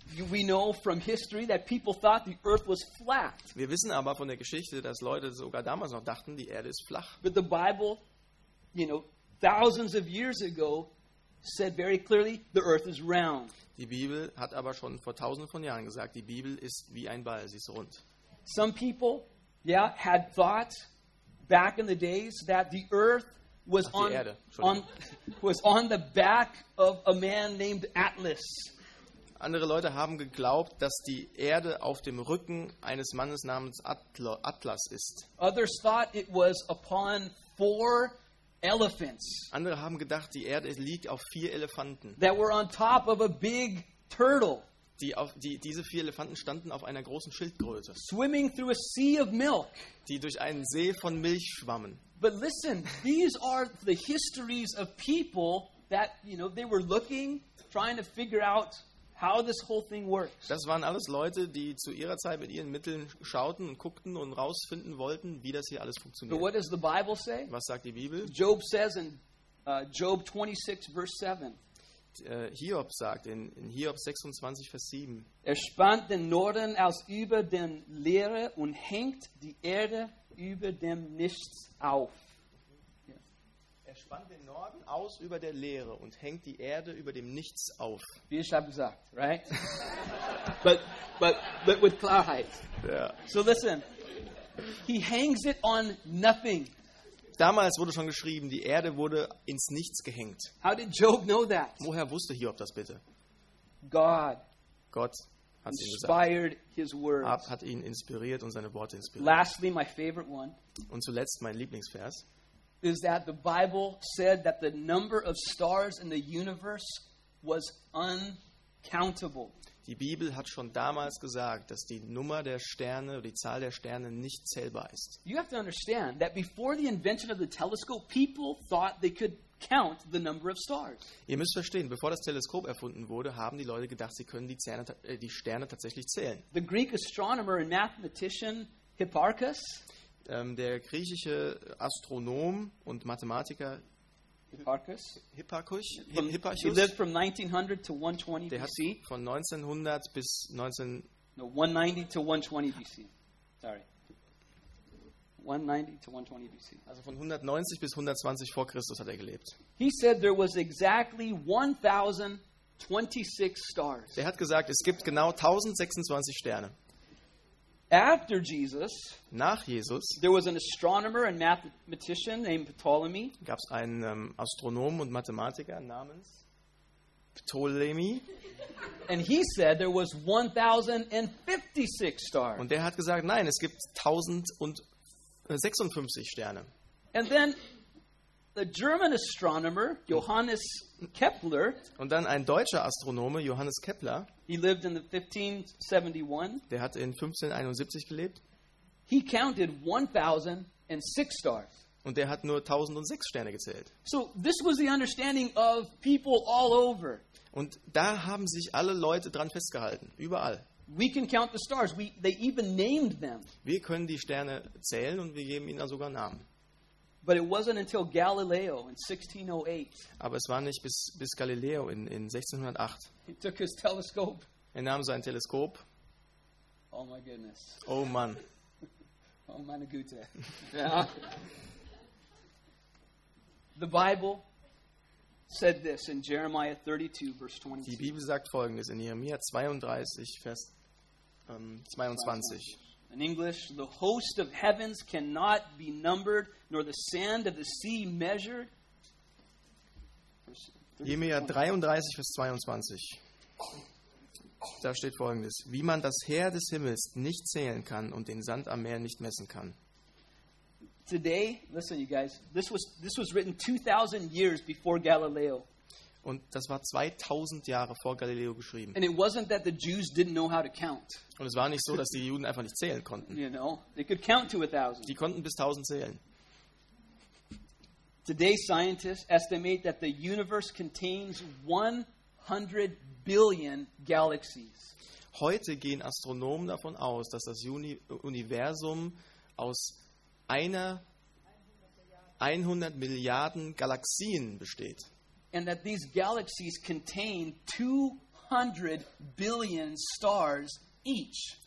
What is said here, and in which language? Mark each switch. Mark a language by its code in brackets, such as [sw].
[en] We know from history that people thought the earth was flat. [de] Wir wissen aber von der Geschichte, dass Leute sogar damals noch dachten, die Erde ist flach. [en] But the Bible, you know, thousands of years ago said very clearly the earth is round. [de] Die Bibel hat aber schon vor tausenden von Jahren gesagt, die Bibel ist wie ein Ball, sie ist rund. [en] Some people, yeah, had thought back in the days that the earth was on the back of a man named Atlas. [de] Andere Leute haben geglaubt, dass die Erde auf dem Rücken eines Mannes namens Atlas ist. [en] Others thought it was upon four elephants. [de] Andere haben gedacht, die Erde liegt auf vier Elefanten. [en] That were on top of a big turtle. [de] Diese vier Elefanten standen auf einer großen Schildkröte. [en] Swimming through a sea of milk. [de] Die durch einen See von Milch schwammen. [en] But listen, these are the histories of people that, you know, they were looking, trying to figure out how this whole thing works. [de] Das waren alles Leute, die zu ihrer Zeit mit ihren Mitteln schauten und guckten und rausfinden wollten, wie das hier alles funktioniert. [en] But what does the Bible say? [de] Was sagt die Bibel? [en] Job says in Job 26, verse 7. [de] Hiob sagt in Hiob 26, Vers 7. Er spannt den Norden aus über den Leere und hängt die Erde über dem Nichts auf. Er spannt den Norden aus über der Leere und hängt die Erde über dem Nichts auf. Wie ich habe gesagt, [en] right? but with [de] Klarheit. [en] Yeah. So listen, he hangs it on nothing. [de] Damals wurde schon geschrieben, die Erde wurde ins Nichts gehängt. [en] How did Job know that? [de] Woher wusste Hiob das bitte? [en] God. [de] Gott hat [en] inspired his words. [de] Ab hat ihn inspiriert und seine Worte inspiriert. [en] Lastly, my favorite one. [de] Und zuletzt mein Lieblingsvers. [en] Is that the Bible said that the number of stars in the universe was uncountable. [de] Die Bibel hat schon damals gesagt, dass die Nummer der Sterne, die Zahl der Sterne nicht zählbar ist. [en] You have to understand that before the invention of the telescope, people thought they could count the number of stars. [de] Ihr müsst verstehen, bevor das Teleskop erfunden wurde, haben die Leute gedacht, sie können die Sterne tatsächlich zählen. [en] The Greek astronomer and mathematician Hipparchus. [de] Der griechische Astronom und Mathematiker Hipparchus. [en] He lived from 1900 to 120 BC. [de] Der hat von 1900 bis [en] 190 to 120 BC. Sorry. 190 to 120 BC. [de] Also von 190 bis 120 vor Christus hat er gelebt. [en] He said there was exactly 1026 stars. [de] Der hat gesagt, es gibt genau 1026 Sterne. [en] After Jesus, [de] nach Jesus, [en] there was an astronomer and mathematician named Ptolemy. [de] Gab's einen Astronomen und Mathematiker namens Ptolemy. [en] And he said there was 1056 stars. [de] Und der hat gesagt, nein, es gibt 1056 Sterne. [en] And then the German astronomer Johannes Kepler. [de] Und dann ein deutscher Astronome, Johannes Kepler. [en] He lived in the 1571. [de] Der hat in 1571 gelebt. [en] He counted 1006 stars. [de] Und der hat nur 1006 Sterne gezählt. [en] So this was the understanding of people all over. [de] Und da haben sich alle Leute dran festgehalten, überall. [en] We can count the stars. They even named them. [de] Wir können die Sterne zählen und wir geben ihnen sogar Namen. [en] But it wasn't until Galileo in 1608. [de] Aber es war nicht bis Galileo in 1608. [en] He took his telescope. [de] Er nahm sein Teleskop. [en] Oh my goodness. [de] Oh Mann. Oh meine Güte. [en] Yeah. The Bible said this in Jeremiah 32, verse 22. [de] Die Bibel sagt Folgendes in Jeremia 32, Vers 22. [en] In English, the host of heavens cannot be numbered, nor the sand of the sea measured. [de] Jeremia 33, Vers 22. Da steht Folgendes: Wie man das Heer des Himmels nicht zählen kann und den Sand am Meer nicht messen kann. [en] Today, listen, you guys, this was written 2,000 years before Galileo. [de] Und das war 2000 Jahre vor Galileo geschrieben. [en] And it wasn't that the Jews didn't know how to count. [de] Und es war nicht so, dass die Juden einfach nicht zählen konnten. [en] You know, they could count to 1,000. [de] Die konnten bis 1,000 zählen. [en] Today, scientists estimate that the universe contains 100 billion galaxies. [de] Heute gehen Astronomen davon aus, dass das Universum aus 100 Milliarden Galaxien besteht. [en] And that these galaxies contain 200 billion stars each.